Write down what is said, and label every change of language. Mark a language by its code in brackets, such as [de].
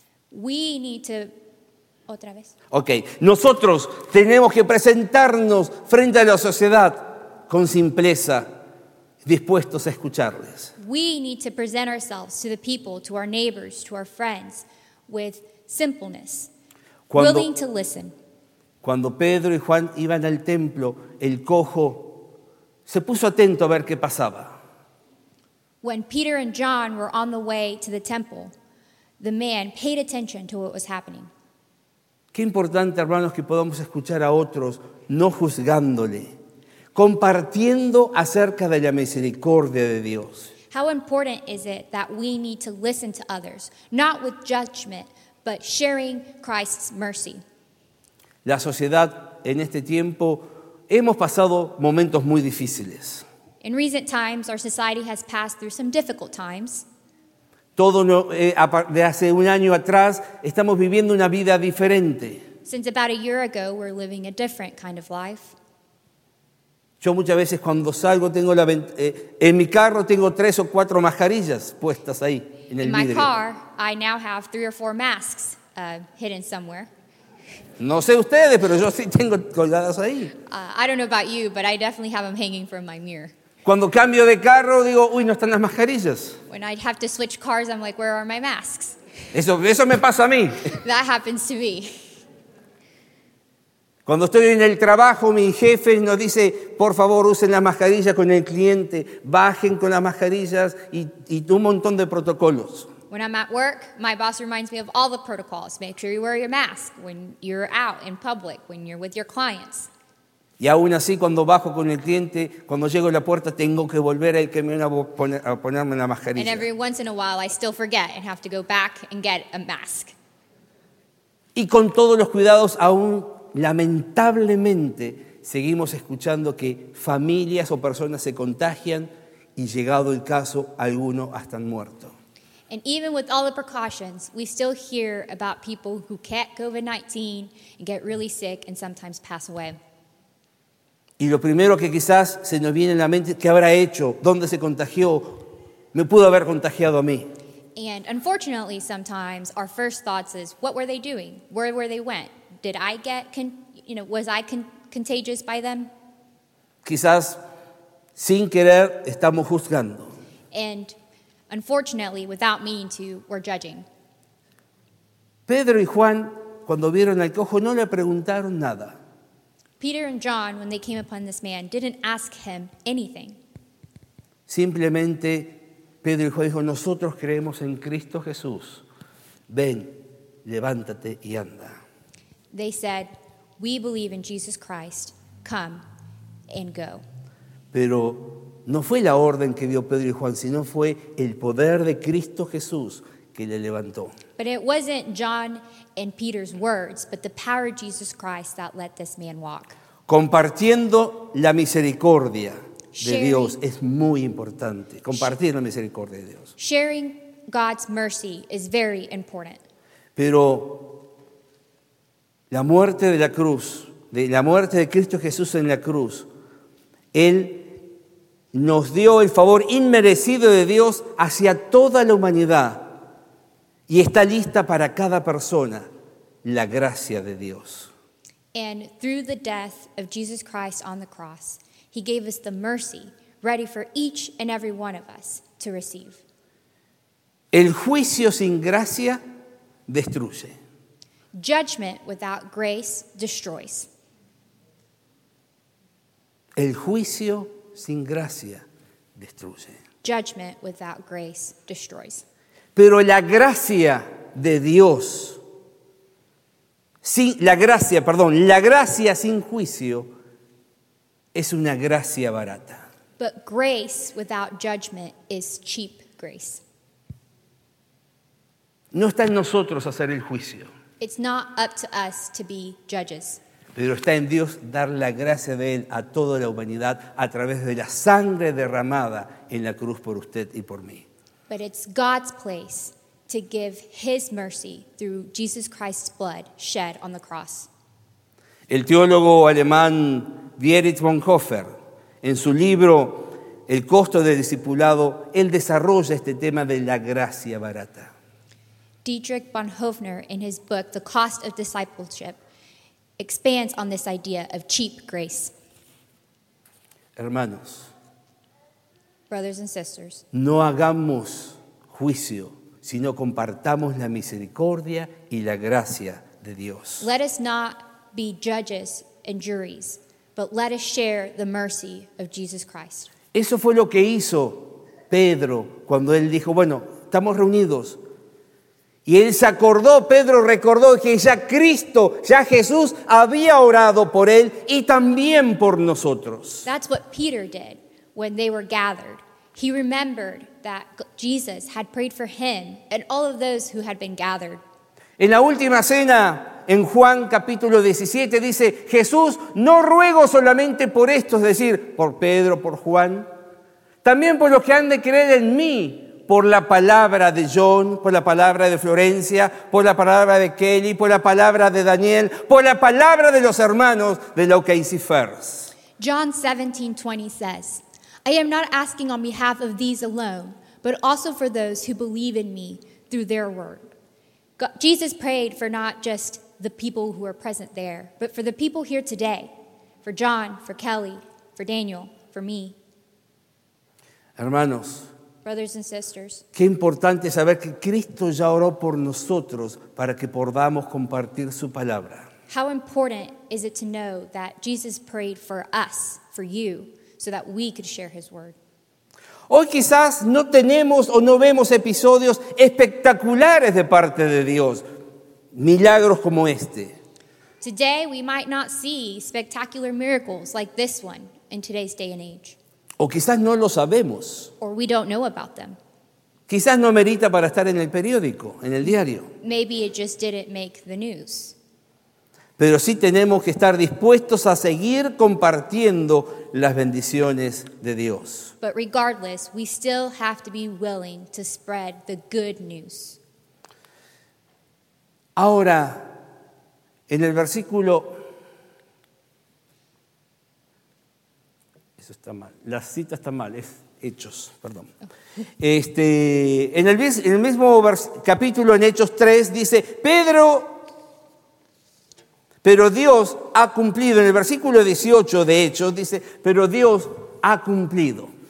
[en] We need to... [es] ¿Otra vez? [en] Ok. [es] Nosotros tenemos que presentarnos frente a la sociedad con simpleza, dispuestos a escucharles. [en] We need to present ourselves to the people, to our neighbors, to our friends, with simpleness, willing to listen. [es] Cuando Pedro y Juan iban al templo, el cojo se puso atento a ver qué pasaba. [en] When Peter and John were on the way to the temple, the man paid attention to what was happening. [es] Qué importante, hermanos, que podamos escuchar a otros, no juzgándole, compartiendo acerca de la misericordia de Dios. [en] How important is it that we need to listen to others, not with judgment, but sharing Christ's mercy? [es] La sociedad en este tiempo hemos pasado momentos muy difíciles. [en] In recent times, our society has passed through some difficult times. [es] Todo de hace un año atrás estamos viviendo una vida diferente. [en] Since about a year ago, we're living a different kind of life. [es] Yo muchas veces cuando salgo tengo la en mi carro tengo 3 o 4 mascarillas puestas ahí en el vidrio. [en] In my car, I now have 3 or 4 masks hidden somewhere. [es] No sé ustedes, pero yo sí tengo colgadas ahí. [en] I don't know about you, but I definitely have them hanging from my mirror. [es] Cuando cambio de carro digo, uy, no están las mascarillas. [en] When I have to switch cars, I'm like, where are my masks? [es] Eso me pasa a mí. [en] That happens to me. [es] Cuando estoy en el trabajo, mi jefe nos dice, por favor, usen las mascarillas con el cliente, bajen con las mascarillas y un montón de protocolos. [en] When I'm at work, my boss reminds me of all the protocols. Make sure you wear your mask when you're out in public, when you're with your clients. [es] Y aún así, cuando bajo con el cliente, cuando llego a la puerta, tengo que volver al camión a ponerme la mascarilla. [en] And every once in a while, I still forget and have to go back and get a mask. [es] Y con todos los cuidados, aún lamentablemente seguimos escuchando que familias o personas se contagian y llegado el caso alguno hasta han muerto. [en] And even with all the precautions, we still hear about people who catch COVID-19 and get really sick and sometimes pass away. [es] Y lo primero que quizás se nos viene a la mente, ¿qué habrá hecho? ¿Dónde se contagió? ¿Me pudo haber contagiado a mí? [en] And unfortunately, sometimes our first thoughts is, what were they doing? Where were they went? Did I get, was I contagious by them? [es] Quizás sin querer estamos juzgando. [en] And unfortunately, without meaning to, we're judging. [es] Pedro y Juan, cuando vieron al cojo, no le preguntaron nada. [en] Peter and John, when they came upon this man, didn't ask him anything. [es] Simplemente, Pedro y Juan dijo, nosotros creemos en Cristo Jesús. Ven, levántate y anda. [en] They said, we believe in Jesus Christ, come and go. [es] Pero no fue la orden que dio Pedro y Juan, sino fue el poder de Cristo Jesús que le levantó. [en] But it wasn't John and Peter's words, but the power of Jesus Christ that let this man walk. [es] Compartiendo la misericordia de Dios es muy importante. Compartir la misericordia de Dios. [en] Sharing God's mercy is very important. [es] Pero la muerte de la cruz, de la muerte de Cristo Jesús en la cruz, Él nos dio el favor inmerecido de Dios hacia toda la humanidad y está lista para cada persona la gracia de Dios. [en] And through the death of Jesus Christ on the cross, he gave us the mercy ready for each and every one of us to receive. [es] El juicio sin gracia destruye. [en] Judgment without grace destroys. [es] El juicio sin gracia destruye. [en] Judgment without grace destroys. [es] Pero la gracia de Dios, sin, la gracia sin juicio es una gracia barata. [en] But grace without judgment is cheap grace. [es] No está en nosotros hacer el juicio. [en] It's not up to us to be judges. [es] Pero está en Dios dar la gracia de Él a toda la humanidad a través de la sangre derramada en la cruz por usted y por mí. [en] But it's God's place to give His mercy through Jesus Christ's blood shed on the cross. [es] El teólogo alemán Dietrich Bonhoeffer, en su libro El costo del discipulado, él desarrolla este tema de la gracia barata. [en] Dietrich Bonhoeffer, in his book The Cost of Discipleship, expands on this idea of cheap grace. [es] Hermanos, [en] brothers and sisters, [es] no hagamos juicio, sino compartamos la misericordia y la gracia de Dios. [en] Let us not be judges and juries, but let us share the mercy of Jesus Christ. [es] Eso fue lo que hizo Pedro cuando él dijo, bueno, estamos reunidos. Y él se acordó, Pedro recordó que ya Cristo, ya Jesús había orado por él y también por nosotros. [en] That's what Peter did when they were gathered. He remembered that Jesus had prayed for him and all of those who had been gathered. [es] En la última cena, en Juan capítulo 17, dice, Jesús, no ruego solamente por estos, es decir, por Pedro, por Juan, también por los que han de creer en mí, por la palabra de John, por la palabra de Florencia, por la palabra de Kelly, por la palabra de Daniel, por la palabra de los hermanos de la OKC First. [en] John 17:20 says, I am not asking on behalf of these alone, but also for those who believe in me through their word. Jesus prayed for not just the people who are present there, but for the people here today, for John, for Kelly, for Daniel, for me. [es] Hermanos, [en] brothers and sisters, [es] qué importante saber que Cristo ya oró por nosotros para que podamos compartir su palabra. [en] How important is it to know that Jesus prayed for us, for you, so that we could share his word. [es] Hoy quizás no tenemos o no vemos episodios espectaculares de parte de Dios, milagros como este. [en] Today we might not see spectacular miracles like this one in today's day and age. [es] O quizás no lo sabemos. [en] Or we don't know about them. [es] Quizás no merita para estar en el periódico, en el diario. [en] Maybe it just didn't make the news. [es] Pero sí tenemos que estar dispuestos a seguir compartiendo las bendiciones de Dios. [en] But regardless, we still have to be willing to spread the good news. [es] Ahora, en el versículo, eso está mal, la cita está mal, es Hechos, perdón. En el mismo capítulo, en Hechos 3, dice, Pedro, pero Dios ha cumplido, en el versículo 18 de Hechos, dice, pero Dios ha cumplido.